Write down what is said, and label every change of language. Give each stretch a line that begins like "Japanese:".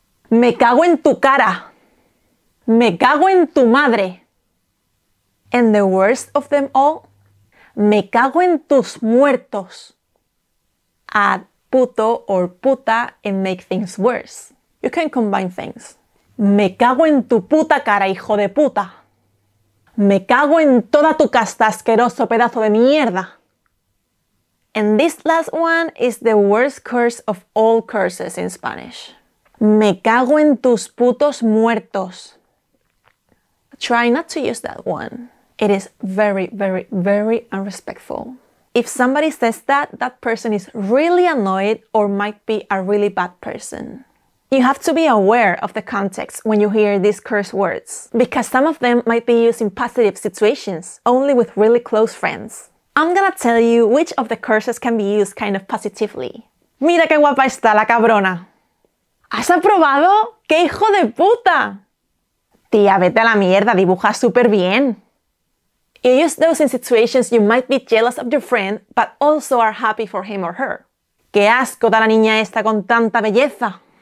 Spanish: Me cago en tu cara. Me cago en tu madre.
English: And the worst of them all,
Spanish: me cago en tus muertos.
English: Add puto or puta and make things worse. You can combine things.
Spanish: Me cago en tu puta cara, hijo de puta. Me cago en toda tu casta, asqueroso pedazo de mierda.
English: And this last one is the worst curse of all curses in Spanish.
Spanish: Me cago en tus putos muertos.
English: Try not to use that one. It is very, very, very unrespectful. If somebody says that, that person is really annoyed or might be a really bad person. You have to be aware of the context when you hear these curse words, because some of them might be used in positive situations, only with really close friends. I'm gonna tell you which of the curses can be used kind of positively.
Spanish: Mira qué guapa está la cabrona. ¿Has aprobado? ¡Qué hijo de puta! Tía, vete a la mierda, dibuja súper bien.
English: You use those in situations you might be jealous of your friend, but also are happy for him or her.
Spanish: ¡Qué asco da la niña esta con tanta belleza!